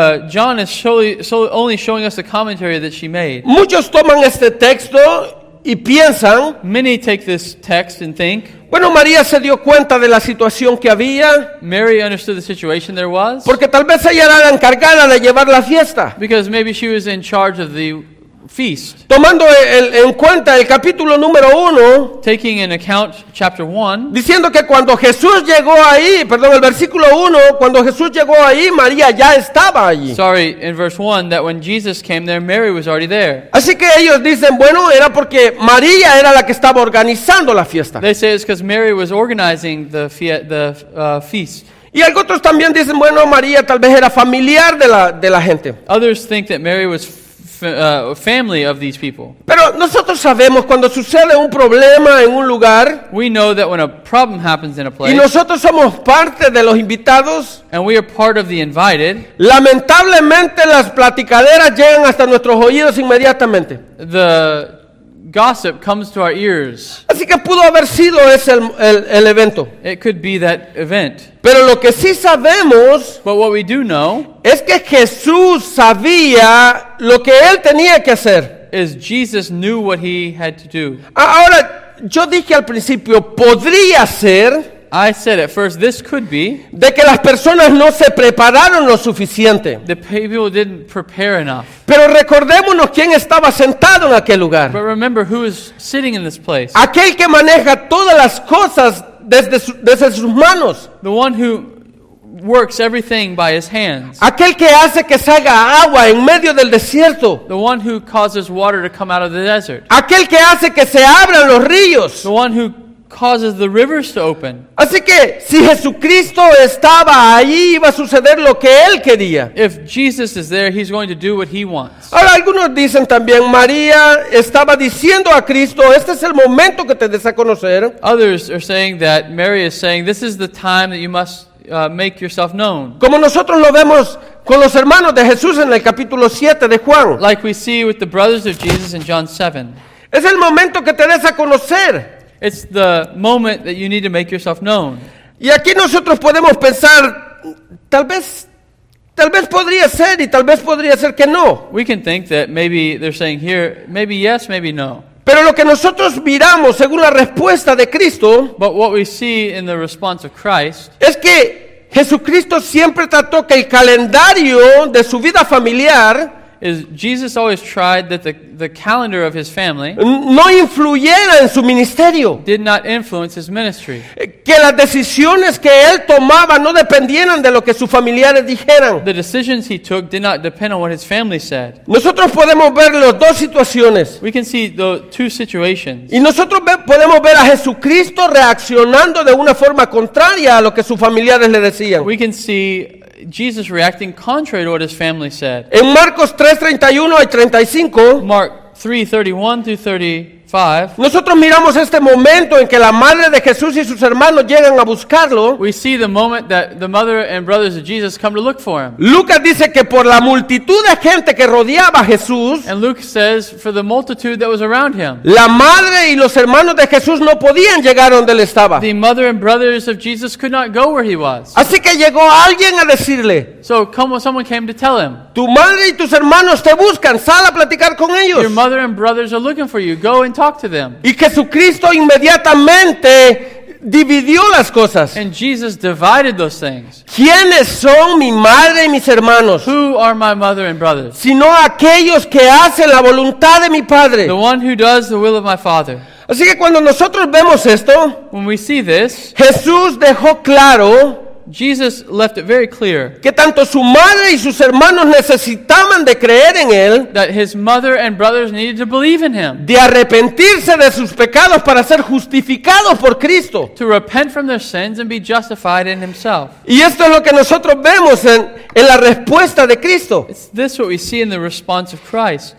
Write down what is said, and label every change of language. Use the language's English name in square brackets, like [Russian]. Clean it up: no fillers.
[English] John is only showing us the commentary that she made. [Spanish] Muchos toman este texto y piensan, [English] many take this text and think, [Spanish] bueno, María se dio cuenta de la situación que había. [English] Mary understood the situation there was. [Spanish] Porque tal vez ella era la encargada de llevar la fiesta. [English] Because maybe she was in charge of the feast. [Spanish] Tomando en cuenta el capítulo número 1, [English] taking in account chapter 1, [Spanish] diciendo que cuando Jesús llegó ahí, perdón, el versículo 1, cuando Jesús llegó ahí, María ya estaba allí. [English] Sorry, in verse 1, that when Jesus came there, Mary was already there. [Spanish] Así que ellos dicen, bueno, era porque María era la que estaba organizando la fiesta. [English] They say it's because Mary was organizing the feast. [Spanish] Y algunos también dicen, bueno, María tal vez era familiar de la gente. [English] Others think that Mary was family of these people. [Spanish] Pero nosotros sabemos cuando sucede un problema en un lugar, [English] we know that when a problem happens in a place, [Spanish] y nosotros somos parte de los invitados, [English] and we are part of the invited, [Spanish] lamentablemente las platicaderas llegan hasta nuestros oídos inmediatamente. [English] The gossip comes to our ears. [Spanish] Así que pudo haber sido ese el evento. [English] It could be that event. [Spanish] Pero lo que sí sabemos, [English] but what we do know, [Spanish] es que Jesús sabía lo que él tenía que hacer. [English] Is Jesus knew what he had to do. [Spanish] Ahora, yo dije al principio, podría ser, [English] I said at first, this could be, [Spanish] de que las personas no se prepararon lo suficiente. [English] The people didn't prepare enough. [Spanish] Pero recordémonos quién estaba sentado en aquel lugar. [English] But remember who is sitting in this place. [Spanish] Aquel que maneja todas las cosas desde sus manos. [English] The one who works everything by his hands. [Spanish] Aquel que hace que salga agua en medio del desierto. [English] The one who causes water to come out of the desert. [Spanish] Aquel que hace que se abran los ríos. [English] The one who causes the rivers to open. [Spanish] Así que si Jesucristo estaba ahí, iba a suceder lo que él quería. [English] If Jesus is there, he's going to do what he wants. [Spanish] Ahora algunos dicen también, María estaba diciendo a Cristo, este es el momento que te des a conocer. [English] Others are saying that Mary is saying, this is the time that you must make yourself known. [Spanish] Como nosotros lo vemos con los hermanos de Jesús en el capítulo 7 de Juan. [English] Like we see with the brothers of Jesus in John 7. [Spanish] Es el momento que te des a conocer. [English] It's the moment that you need to make yourself known. [Spanish] Y aquí nosotros podemos pensar, tal vez podría ser y tal vez podría ser que no. [English] We can think that maybe they're saying here, maybe yes, maybe no. [Spanish] Pero lo que nosotros miramos según la respuesta de Cristo, [English] but what we see in the response of Christ, [Spanish] es que Jesucristo siempre trató que el calendario de su vida familiar, [English] is Jesus always tried that the calendar of his family [Spanish] no influyera en su ministerio, [English] did not influence his ministry, [Spanish] que las decisiones que él tomaba no dependieran de lo que sus familiares dijeran. [English] The decisions he took did not depend on what his family said. [Spanish] Nosotros podemos ver las dos situaciones. [English] We can see the two situations. [Spanish] Y nosotros podemos ver a Jesucristo reaccionando de una forma contraria a lo que sus familiares le decían. [English] We can see Jesus reacting contrary to what his family said. [Spanish] En Marcos 3:31-35, [English] Mark 3:31-35, [Spanish] nosotros miramos este momento en que la madre de Jesús y sus hermanos llegan a buscarlo. [English] We see the moment that the mother and brothers of Jesus come to look for him. [Spanish] Lucas dice que por la multitud de gente que rodeaba a Jesús, [English] and Luke says for the multitude that was around him, [Spanish] la madre y los hermanos de Jesús no podían llegar donde él estaba. [English] The mother and brothers of Jesus could not go where he was. [Spanish] Así que llegó alguien a decirle, [English] so someone came to tell him, [Spanish] tu madre y tus hermanos te buscan, sal a platicar con ellos. [English] Your mother and brothers are looking for you, go and talk to them. [Spanish] Y Jesucristo inmediatamente dividió las cosas. [English] And Jesus divided those things. [Spanish] ¿Quiénes son mi madre y mis hermanos? [English] Who are my mother and brothers? [Spanish] Sino aquellos que hacen la voluntad de mi padre. [English] The one who does the will of my father. [Spanish] Así que cuando nosotros vemos esto, [English] when we see this, [Spanish] Jesús dejó claro, [English] Jesus left it very clear, [Spanish] que tanto su madre y sus hermanos necesitaban de creer en él, [English] that his mother and brothers needed to believe in him, [Spanish] de arrepentirse de sus pecados para ser justificados por Cristo, [English] to repent from their sins and be justified in himself. [Spanish] Y esto es lo que nosotros vemos en la respuesta de Cristo. [English] It's this what we see in the response of Christ.